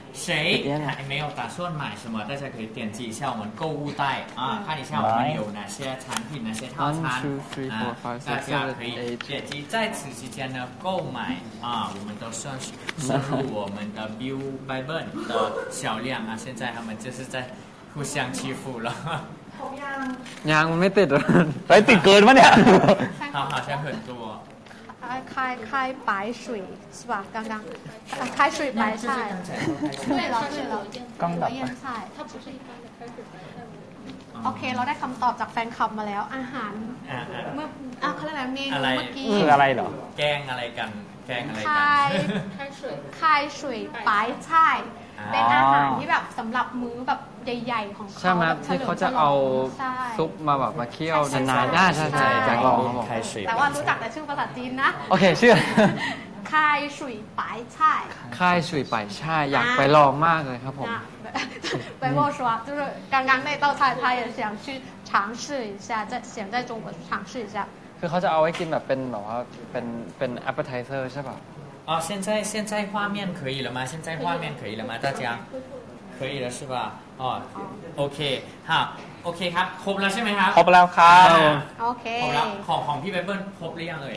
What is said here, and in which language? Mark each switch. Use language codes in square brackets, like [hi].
[zh] 谁还没有打算买什么，大家可以点击一下我们购物袋啊，看一下我们有哪些产品，哪些套餐啊，大家可以点击在此期间呢购买啊，我们都算是输入我们的 BibleBuild 的销量啊，现在他们就是在互相欺负了。好呀，娘没得的，来点歌的嘛娘。好好像很多。开白水是吧？刚刚，啊、开水白菜，对了，腌菜，它不是一般的开水白菜。 [th] โอเคเราได้คำตอบจากแฟนคลับมาแล้วอาหารเมื่อเขาเรียกอะไรเมนูเมื่อกี้ คืออะไรเหรอ แกงอะไรกันแกงอะไรกันไข่ไข่สวยปลายไช่เป็นอาหารที่แบบสำหรับมื้อแบบใหญ่ๆของเขา ใช่ไหมที่เขาจะเอาซุปมาแบบมาเคี่ยวนานๆใช่ใช่ แต่ ว่ารู้จักแต่ชื่อภาษาจีนนะ โอเคชื่อไข่สวยปลายไ ช่ไข่สวยปลายไช่อยากไปลองมากเลยครับผม ไปบอกสวะ [zh] 就是刚刚那道菜他也想去尝试一下在想在中国尝试一下 [th] คือเขาจะเอาไว้กินแบบเป็นแบบว่าเป็น appetizer ใช่ป่ะ [zh] อ๋อ现在画面可以了吗现在画面可以了吗大家可以了是吧哦 OK 好 OK [th] ครับครบแล้วใช่ไหมครับ ครบแล้วครับ โอเค ครบแล้วของพี่ไบเบิ้ลครบหรือยังเลย